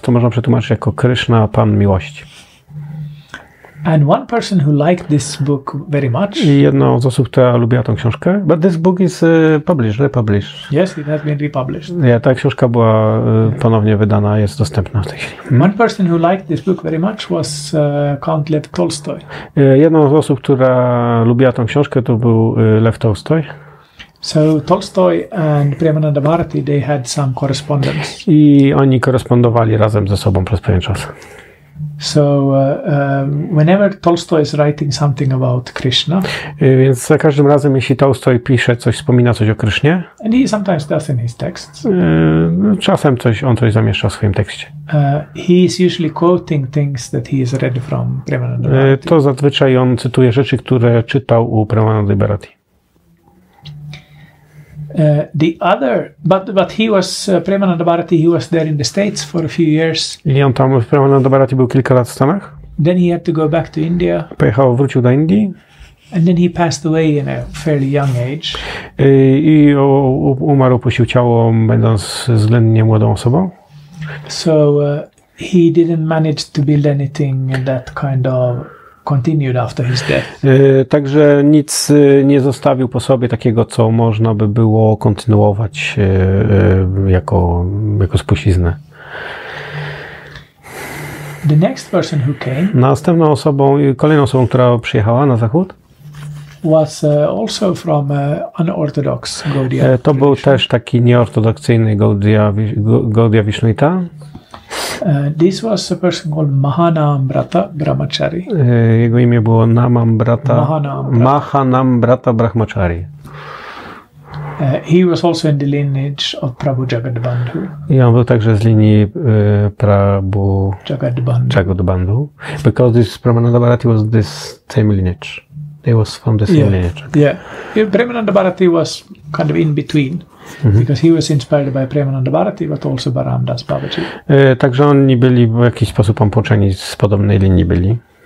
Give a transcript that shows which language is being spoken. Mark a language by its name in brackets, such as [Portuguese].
[Polish] To można przetłumaczyć jako Krishna, Pan Miłości. [English] And one person who liked this book very much. [Polish] I jedną z osób, która lubiła tą książkę. [English] But this book is published, republished. Yes, it has been republished. [Polish] Yeah, ta książka była ponownie wydana, jest dostępna w tej chwili. [English] One person who liked this book very much was Count Lev Tolstoy. [Polish] Jedną z osób, która lubiła tą książkę, to był Lev Tolstoy. [English] So Tolstoy and Premananda Bharati, they had some correspondence. [Polish] I oni korespondowali razem ze sobą przez pewien czas. [English] So whenever Tolstoy is writing something about Krishna, [Polish] więc za każdym razem, jeśli Tolstoy pisze coś, wspomina coś o Krysznie, [English] and he sometimes does in his texts, [Polish] czasem on coś zamieszcza w swoim tekście. [English] He is usually quoting things that he has read from Premananda Bharati. [Polish] To zazwyczaj on cytuje rzeczy, które czytał u Premanandy Bharati. [English] The other, but he was Premananda Bharati. He was there in the States for a few years. [Polish] I on tam, Premananda Bharati, był kilka lat w Stanach. [English] Then he had to go back to India. [Polish] Pojechał, wrócił do Indii. [English] And then he passed away in a fairly young age. [Polish] I umarł, opuścił ciało, będąc względnie młodą osobą. [English] So he didn't manage to build anything that kind of continued after his death. [Polish] Także nic nie zostawił po sobie takiego, co można by było kontynuować jako spuściznę. [English] The next person who came. [Polish] Następną osobą, kolejną osobą, która przyjechała na zachód, [English] was also from unorthodox Gaudiya. [Polish] To był też taki nieortodoksyjny Gaudiya Vishnuita. [English] This was a person called Mahanambrata Brahmachari. [Polish] Jego imię było Namambrata. [English] Mahanambrata Brahmachari. He was also in the lineage of Prabhu Jagadbandhu. I on był także z linii Prabhu Jagadbandhu. Because this Premananda Bharati was this same lineage. He was from the same lineage. Okay. Yeah. Premananda Bharati was kind of in between. Mm-hmm. Because he was inspired by Premananda Bharati, but also by Ramdas Babaji. [Polish] Także oni byli w jakiś sposób połączeni, z podobnej linii byli.